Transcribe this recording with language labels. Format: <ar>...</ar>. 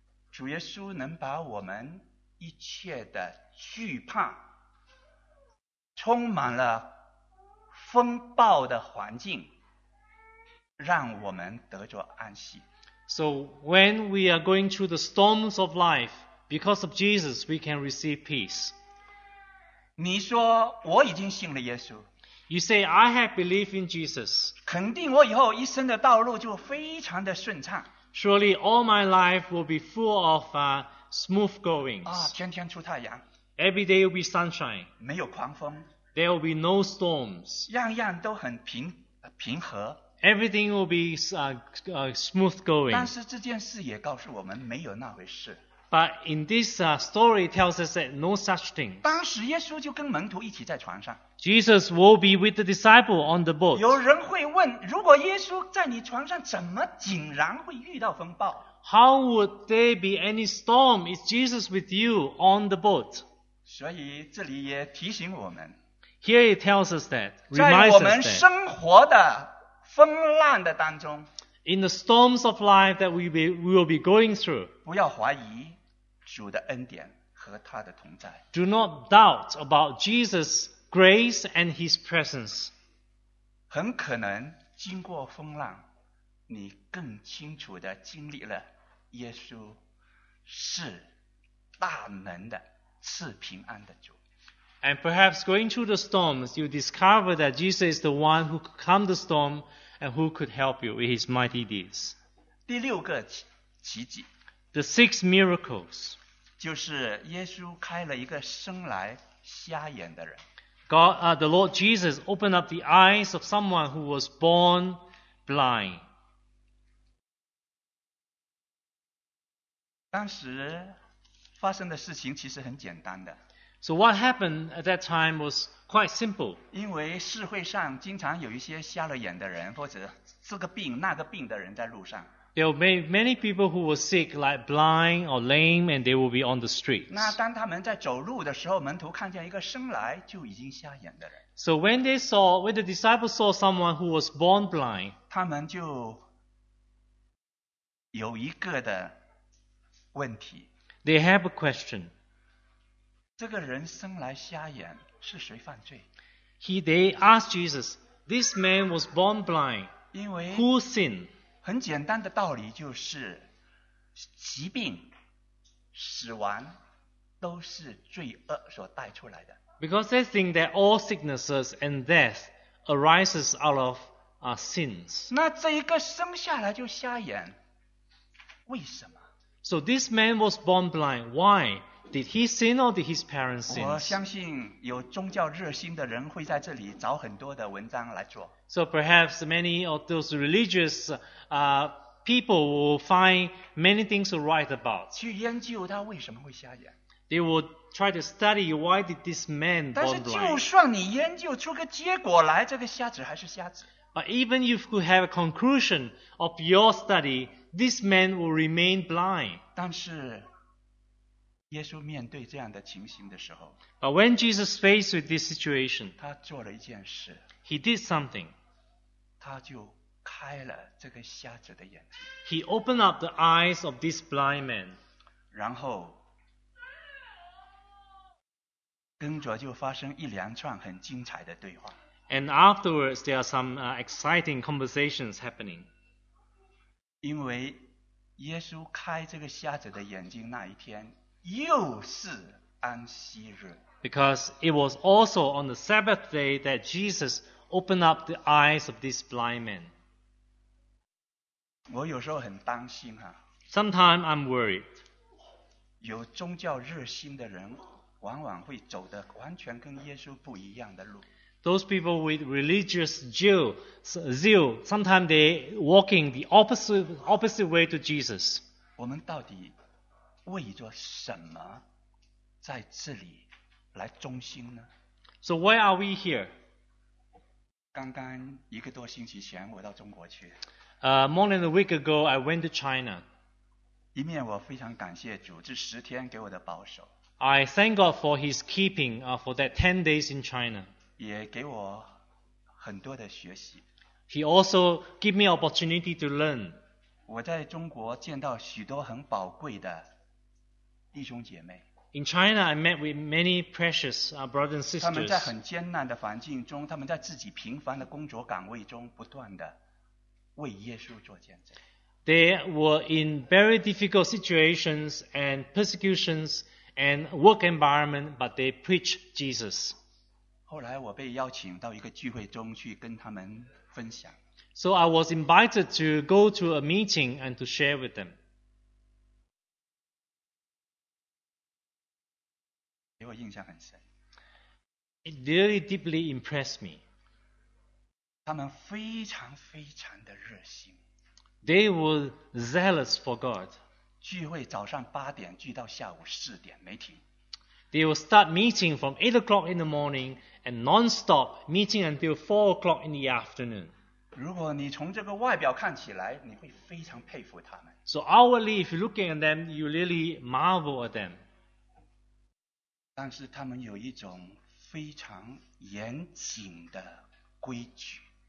<zh>主耶稣能把我们一切的惧怕充满了风暴的环境让我们得着安息。</zh> <en>So when we are going through the storms of life, because of Jesus, we can receive peace.</en> <zh>你说我已经信了耶稣。</zh> <en>You say, I have believed in Jesus.</en> <zh>肯定我以后一生的道路就非常的顺畅。</zh> <en>Surely all my life will be full of smooth goings.</en> <zh>啊，天天出太阳。</zh> <en>Every day will be sunshine.</en> <zh>没有狂风。</zh> <en>There will be no storms.</en> <zh>样样都很平和。</zh> <en>Everything will be smooth going.</en> <zh>但是这件事也告诉我们没有那回事。</zh> <en>But in this story tells us that no such thing.</en> <zh>当时耶稣就跟门徒一起在船上。</zh> <en>Jesus will be with the disciple on the boat.</en> <zh>有人会问，如果耶稣在你船上，怎么竟然会遇到风暴？</zh> <en>How would there be any storm if Jesus with you on the boat?</en> <zh>所以这里也提醒我们。</zh> <en>Here he tells us that, reminds us that.</en> <zh>在我们生活的风浪的当中。</zh> <en>In the storms of life that we will be going through.</en> <zh>不要怀疑主的恩典和他的同在。</zh> <en>Do not doubt about Jesus' grace and his presence.</en> <zh>很可能经过风浪，你更清楚地经历了耶稣是大能的赐平安的主。</zh> <en>And perhaps going through the storms, you discover that Jesus is the one who could calm the storm and who could help you with his mighty deeds.</en> <zh>第六个奇迹。</zh> <en>The six miracles.</en> <zh>就是耶稣开了一个生来瞎眼的人。</zh> <en>The Lord Jesus opened up the eyes of someone who was born blind.</en> <zh>当时发生的事情其实很简单的。</zh> <en>So what happened at that time was quite simple.</en> <zh>因为社会上经常有一些瞎了眼的人，或者这个病那个病的人在路上。</zh> <en>There were many people who were sick, like blind or lame, and they would be on the streets.</en> <zh>那当他们在走路的时候，门徒看见一个生来就已经瞎眼的人。</zh> <en>So when the disciples saw someone who was born blind,</en> <zh>他们就有一个的问题。</zh> <en>They have a question.</en> <zh>这个人生来瞎眼，是谁犯罪？</zh> <en>They asked Jesus, this man was born blind. Who sinned?</en> <zh>很简单的道理就是，疾病、死亡都是罪恶所带出来的。</zh> <en>Because they think that all sicknesses and death arises out of our sins.</en> <zh>那这一个生下来就瞎眼，为什么？</zh> <en>So this man was born blind. Why? Did he sin or did his parents sin?</en> <zh>我相信有宗教热心的人会在这里找很多的文章来做。</zh> <en>So perhaps many of those religious people will find many things to write about.</en> <zh>去研究他为什么会瞎眼。</zh> <en>They will try to study why did this man born blind.</en> <zh>但是就算你研究出个结果来，这个瞎子还是瞎子。</zh> <en>But even if you have a conclusion of your study, this man will remain blind.</en> <zh>但是耶稣面对这样的情形的时候，</zh> <en>But when Jesus faced with this situation,</en> <zh>他做了一件事。</zh> <en>He did something.</en> <zh>他就开了这个瞎子的眼睛。</zh> <en>He opened up the eyes of this blind man.</en> <zh>然后跟着就发生一连串很精彩的对话。</zh> <en>And afterwards, there are some exciting conversations happening.</en> <zh>因为耶稣开这个瞎子的眼睛那一天又是安息日。</zh> <en>Because it was also on the Sabbath day that Jesus opened up the eyes of this blind man.</en> <zh>我有时候很担心哈。</zh> <en>Sometimes I'm worried.</en> <zh>有宗教热心的人往往会走得完全跟耶稣不一样的路。</zh> <en>Those people with religious zeal, sometimes they walking the opposite way to Jesus.</en> <zh>我们到底为着什么在这里来中心呢？</zh> <en>So why are we here?</en> <zh>刚刚一个多星期前我到中国去。</zh> <en>More than a week ago, I went to China.</en> <zh>一面我非常感谢主这十天给我的保守。</zh> <en>I thank God for his keeping for that 10 days in China.</en> <zh>也给我很多的学习。</zh> <en>He also gave me opportunity to learn.</en> <zh>我在中国见到许多很宝贵的弟兄姐妹。</zh> <en>In China, I met with many precious brothers and sisters.</en> <zh>他们在很艰难的环境中，他们在自己平凡的工作岗位中，不断的为耶稣做见证。</zh> <en>They were in very difficult situations and persecutions and work environment, but they preached Jesus.</en> <zh>后来我被邀请到一个聚会中去跟他们分享。</zh> <en>So I was invited to go to a meeting and to share with them.</en> <zh>给我印象很深。</zh> <en>It really deeply impressed me.</en> <zh>他们非常非常的热心。</zh> <en>They were zealous for God.</en> <zh>聚会早上八点聚到下午四点没停。</zh> <en>They will start meeting from 8 o'clock in the morning and non-stop meeting until 4 o'clock in the afternoon.</en> <zh>如果你从这个外表看起来，你会非常佩服他们。</zh> <en>So outwardly, if you're looking at them, you really marvel at them.</en> <zh>但是他们有一种非常严谨的规矩。</zh>